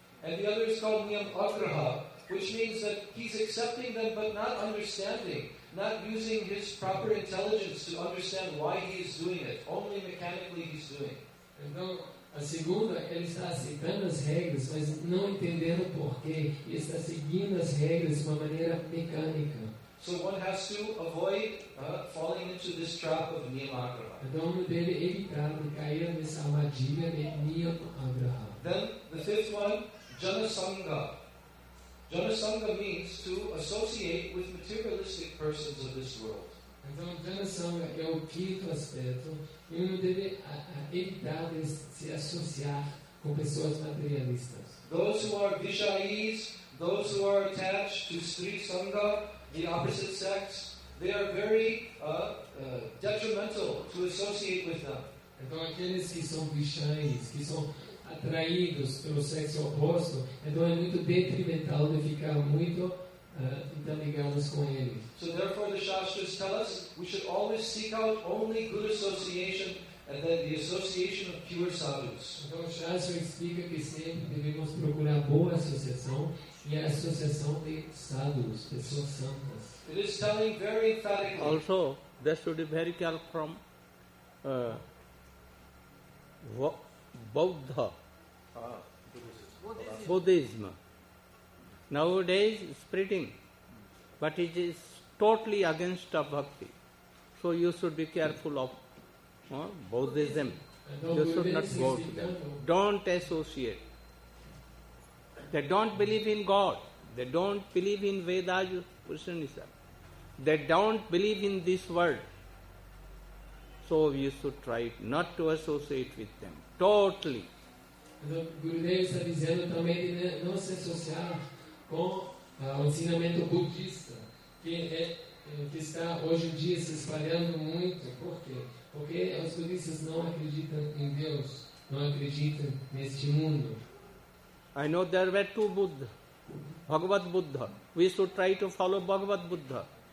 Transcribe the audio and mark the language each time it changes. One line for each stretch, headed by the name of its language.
English: And the other is called niyam agraha, which means that he's accepting them but not understanding, not using his proper intelligence to understand why he is doing it. Only mechanically he's doing.
Portuguese: Então, a segunda, ele está aceitando as regras, mas não entendendo por quê. E está seguindo as regras de uma maneira mecânica.
English: So one has to avoid falling into this trap of niyamagraha. Then the fifth one, janasangha. Janasangha means to associate with materialistic persons of this world.
Portuguese: Então, janasangha é o quinto aspecto. E um deve evitar de se associar com pessoas materialistas.
English: Those who are vishayis, those who are attached to stri sangha, the opposite sex, they are very detrimental to associate with them.
Portuguese: Então, aqueles que são vishayis, que são atraídos pelo sexo oposto, então é muito detrimental de ficar muito interligados com eles.
English: So therefore the Shastras tell us we should always seek out only good association and then the association of pure sadhus.
Portuguese: Então o Shastra explica que sempre devemos procurar boa associação e a associação de sadhus, pessoas santas.
English: It is telling very emphatically. Also, there should be very careful from Buddha. Buddhism. Nowadays, spreading. But it is totally against a bhakti. So you should be careful of Buddhism. You should not go to them. Don't associate. They don't believe in God. They don't believe in Vedas, Krishna. They don't believe in this world. So you should try not to associate with them. Totally.
Portuguese: Gurudev está dizendo também de não se associar com o ensinamento budista, que está hoje em dia se espalhando muito. Por quê? Porque os budistas não acreditam em Deus. não acredita neste mundo.
English: I know there were two Buddha, Bhagavad Buddha. We should try to follow Bhagavad Buddha.